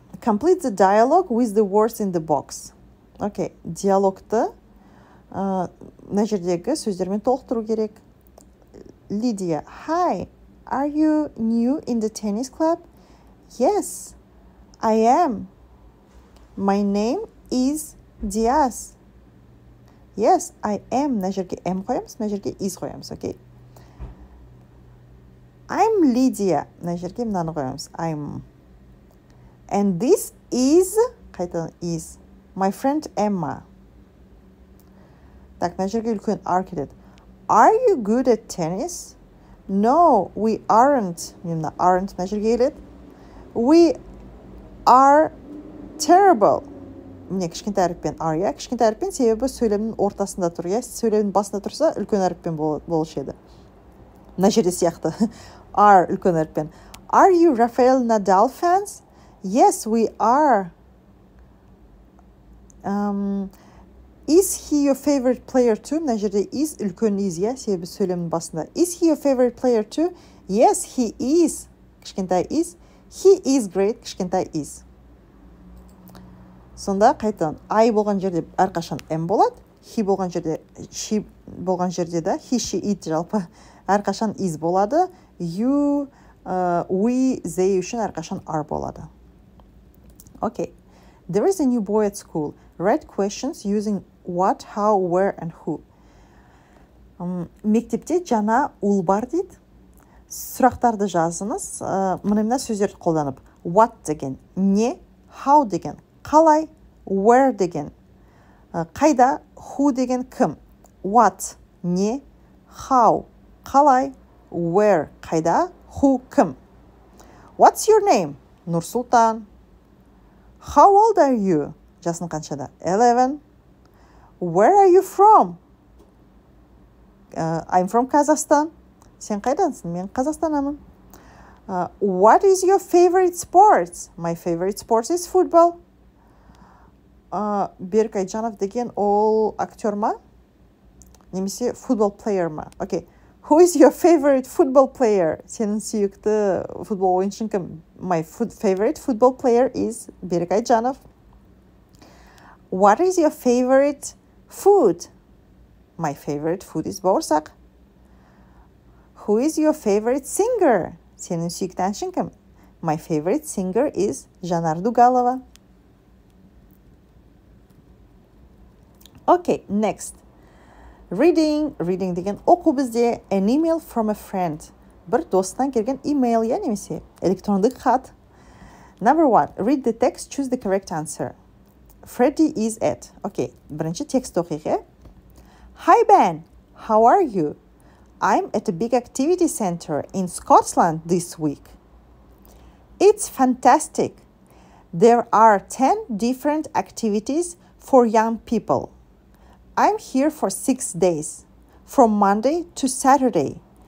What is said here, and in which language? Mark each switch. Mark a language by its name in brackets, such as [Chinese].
[English] Complete the dialogue with the words in the box. [Kazakh] Okay, диалогты мына жердегі сөздермен толықтыру керек. [English] Lydia, hi. Are you new in the tennis club? Yes, I am. My name is Diaz. Yes, I am. [Kazakh] Мына жерге M қоямыз, мына жерге is қоямыз, окей? Okay? [English] I'm Lydia. [Kazakh] Мына жерге мынаны қоямыз, I'm. [English] And this is, [Kazakh] қайтадан [English] is, my friend Emma. [Kazakh] Так, мына жерге үлкен R келеді. [English] Are you good at tennis? No, we aren't. [Kazakh] Мына aren't мына жерге келеді. [English] We are terrible. [Kazakh] Міне, кішкентай әріппен R, иә? Кішкентай әріппен, себебі сөйлемнің ортасында тұр, иә? Сөйлемнің басында тұрса, үлкен әріппен болушы еді. Мына жерде сияқты. R, үлкен әріппен. [English] Are you Rafael Nadal fans? Yes, we are. Is he your favorite player too? [Kazakh] Мына жерде is, үлкен is, иә? Себебі сөйлемнің басында. [English] Is he your favorite player too? Yes, he is. [Kazakh] Кішкентай is. [English] He is great. [Kazakh] Кішкентай is. Сонда қайтадан I болған жерде әрқашан M болады, he болған жерде she болған жерде де he she it жалпы әрқашан is болады, you we they үшін әрқашан are болады. [English] Okay. There is a new boy at school. Write questions using what, how, where and who. [Kazakh] мектепте жана ул бар дейді. Сұрақтарды жазыңыз, мұнымна сөздерді қолданып. What деген, не, how деген, қалай, where деген, қайда, who деген, кім. What, не, how, қалай, where, қайда, who, кім. [English] What's your name? Нұрсултан. How old are you? [Kazakh] Жасын қаншада? [English] 11. Where are you from? I'm from Kazakhstan. [Kazakh] Сен қайдансың? Мен Қазақстанамын. [English] What is your favorite sport? My favorite sport is football. [Kazakh] Берік Айджанов деген ол актер ма? Немесе футбол плеер ма? Okay. [English] Who is your favorite football player? [Kazakh] Сенің сүйікті футбол ойыншың кім? [English] My favorite football player is Берік Айджанов. What is your favorite food? My favorite food is бауырсақ. Who is your favorite singer? [Kazakh] Сенің сүйікті әншің кім? [English] My favorite singer is Жанар Дугалова. Okay, next. Reading [Kazakh] деген оқу бізде [English] an email from a friend. [Kazakh] Бір достан келген email, я немесе електрондық хат. [English] Number one, read the text, choose the correct answer. Freddy is at. [Kazakh] Okay, бірінші текст оқиғе. [English] Hi Ben, how are you? I'm at a big activity center in Scotland this week. It's fantastic. There are 10 different activities for young people. I'm here for 6 days, from Monday to Saturday.